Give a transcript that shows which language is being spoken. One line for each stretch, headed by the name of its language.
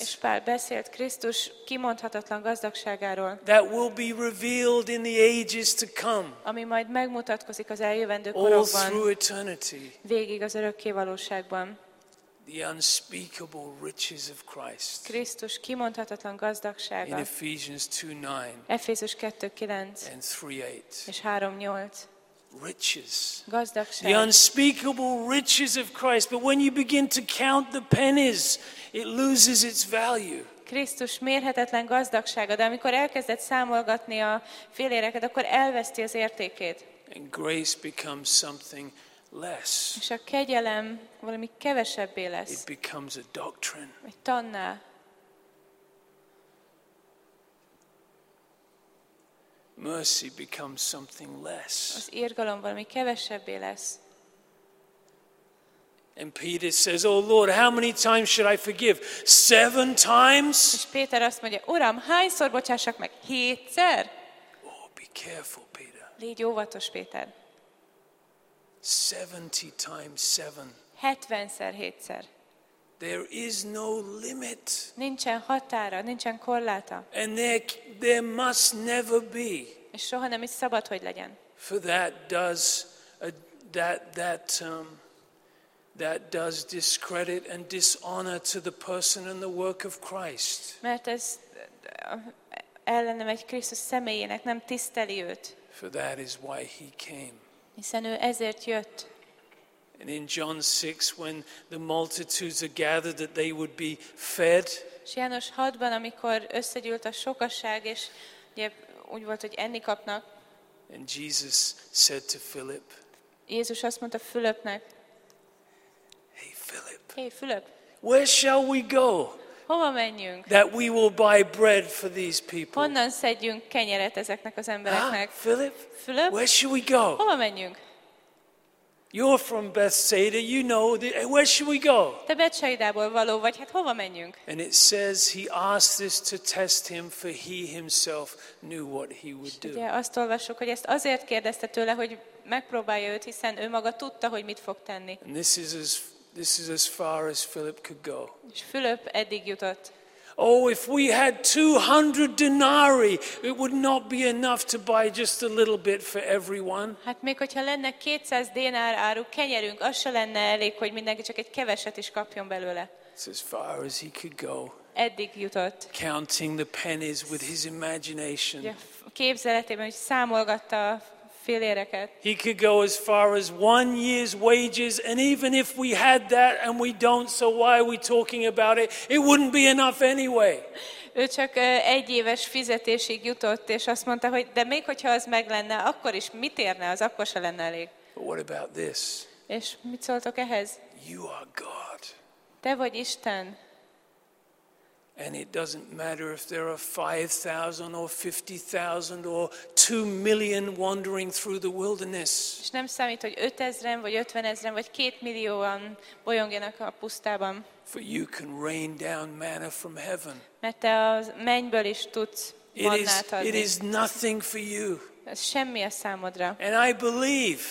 Hungarian: És Pál beszélt Krisztus kimondhatatlan gazdagságáról.
English: That will be revealed in the ages to come.
Hungarian: Ami majd megmutatkozik az eljövendő korokban.
English: All through eternity.
Hungarian: Végig az örökké valóságban.
English: The unspeakable riches of Christ.
Hungarian: Krisztus kimondhatatlan gazdagsága.
English: In Ephesians 2:9.
Hungarian: Efézus 2:9.
English: And 3:8.
Hungarian: És 3:8.
English: Riches.
Hungarian: Gazdagság.
English: The unspeakable riches of Christ, but when you begin to count the pennies, it loses its value.
Hungarian: Krisztus mérhetetlen gazdagsága, de amikor elkezded számolgatni a filléreket, akkor elveszti az értékét.
English: And grace becomes something less.
Hungarian: És a kegyelem valami kevesebbé lesz.
English: It becomes a doctrine.
Hungarian: Egy tanná.
English: Mercy becomes something less.
Hungarian: Az irgalom valami kevesebbé lesz.
English: And Peter says, "Oh Lord, how many times should I forgive? 7 times?"
Hungarian: És Péter azt mondja, Uram, hányszor bocsássak meg? 7-szer?
English: Oh, be careful, Peter.
Hungarian: Légy óvatos, Péter.
English: 70 times 7.
Hungarian: 70-szer 7-szer.
English: There is no limit.
Hungarian: Nincsen határa, nincsen korláta.
English: And there must never be.
Hungarian: És soha nem is szabad, hogy legyen.
English: For that does that does discredit and dishonor to the person and the work of Christ.
Hungarian: Mert ez ellene megy Krisztus személyének, nem tiszteli őt.
English: For that is why he came.
Hungarian: Hiszen ő ezért jött.
English: And in John 6, when the multitudes are gathered, that they would be fed.
Hungarian: És János 6-ban, amikor összegyűlt a sokasság, és ugye úgy volt, hogy enni kapnak.
English: And Jesus said to Philip.
Hungarian: Jézus azt mondta Fülöpnek.
English: Hey Philip. Hey Philip. Where shall we go?
Hungarian: Hova menjünk?
English: That we will buy bread for these people.
Hungarian: Honnan szedjünk kenyeret ezeknek az embereknek?
English: Philip. Philip. Where shall we go?
Hungarian: Hova menjünk?
English: You're from Bethsaida, you know. Where should we go?
Hungarian: Te Betsaidából való vagy, hát hova menjünk?
English: And it says he asked this to test him, for he himself knew what he would do.
Hungarian: Ugye azt olvassuk, hogy ezt azért kérdezte tőle, hogy megpróbálja őt, hiszen ő maga tudta, hogy mit fog tenni.
English: And this is as far as Philip could go.
Hungarian: És Fülöp eddig jutott.
English: Oh, if we had 200 denarii, it would not be enough to buy just a little bit for everyone.
Hungarian: Hát még hogyha lenne 200 dinár áru kenyerünk, az se lenne elég, hogy mindenki csak egy keveset is kapjon belőle.
English: It's as far as he could go.
Hungarian: Eddig jutott.
English: Counting the pennies with his imagination.
Hungarian: Képzeletében, hogy számolgatta a filléreket.
English: He could go as far as one year's wages, and even if we had that, and we don't, so why are we talking about it? It wouldn't be enough anyway.
Hungarian: Ő csak egy éves fizetésig jutott, és azt mondta, hogy de még hogyha az meg lenne, akkor is mit érne az, akkor se lenne elég.
English: But what about this?
Hungarian: És mit szóltok ehhez?
English: You are God.
Hungarian: Te vagy Isten.
English: And it doesn't matter if there are 5,000 or 50,000 or 2 million wandering through the wilderness.
Hungarian: És nem számít, hogy 5000-en vagy 50000-en vagy 2 millióan bolyongjanak a pusztában.
English: For you can rain down manna from heaven.
Hungarian: Mert te a mennyből is tudsz mannát adni.
English: It is nothing for you.
Hungarian: Ez semmi a számodra.
English: And I believe.